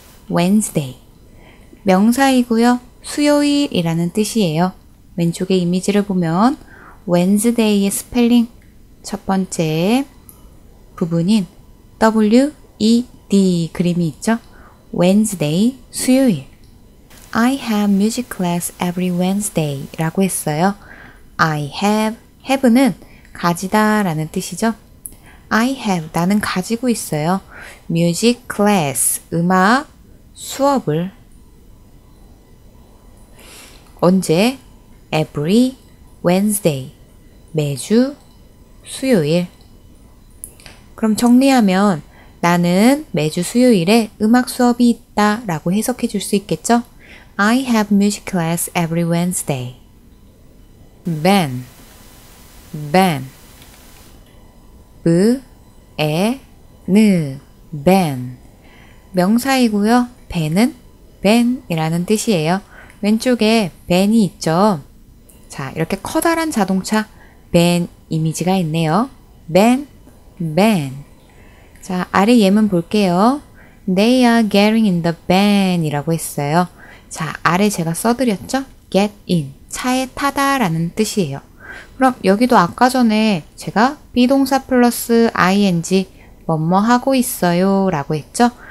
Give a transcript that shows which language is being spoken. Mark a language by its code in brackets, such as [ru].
[ko] Wednesday. 명사이고요. 수요일이라는 뜻이에요. 왼쪽에 이미지를 보면, Wednesday의 스펠링. 첫 번째 부분인 W, E, D 그림이 있죠? Wednesday, 수요일. [en] I have music class every Wednesday [ko] 라고 했어요. I have는 가지다 라는 뜻이죠. I have, 나는 가지고 있어요. music class, 음악, 수업을. 언제? every Wednesday, 매주 수요일. 그럼 정리하면 나는 매주 수요일에 음악 수업이 있다 라고 해석해 줄수 있겠죠? [en] I have music class every Wednesday. Ben. Ben. B, E, N. Ben. [ko] 명사이고요. Ben은 Ben이라는 뜻이에요. 왼쪽에 Ben이 있죠? 자, 이렇게 커다란 자동차 Ben 이미지가 있네요. Ben. Ben. 자, 아래 예문 볼게요. [en] They are getting in the van [ko] 이라고 했어요. 자, 아래 제가 써드렸죠? get in, 차에 타다 라는 뜻이에요. 그럼 여기도 아까 전에 제가 비동사 플러스 ing, 뭐뭐 하고 있어요 라고 했죠?